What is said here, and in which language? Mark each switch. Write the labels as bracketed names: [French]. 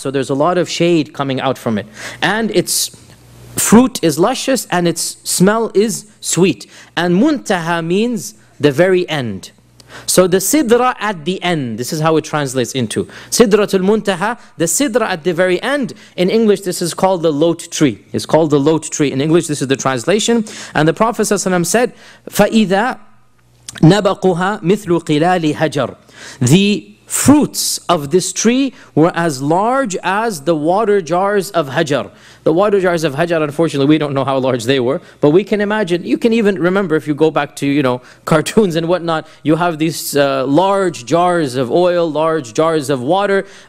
[English] So there's a lot of shade coming out from it. And its fruit is luscious and its smell is sweet. And muntaha means the very end. So the sidra at the end, this is how it translates into sidratul muntaha, the sidra at the very end. In English, this is called the lote tree. It's called the lote tree. In English, this is the translation. And the Prophet ﷺ said, [Arabic] فَإِذَا نَبَقُهَا مِثْلُ قِلَالِ هَجَرُ. [English] The fruits of this tree were as large as the water jars of Hajar. The water jars of Hajar, unfortunately, we don't know how large they were, but we can imagine, you can even remember if you go back to, you know, cartoons and whatnot, you have these large jars of oil, large jars of water.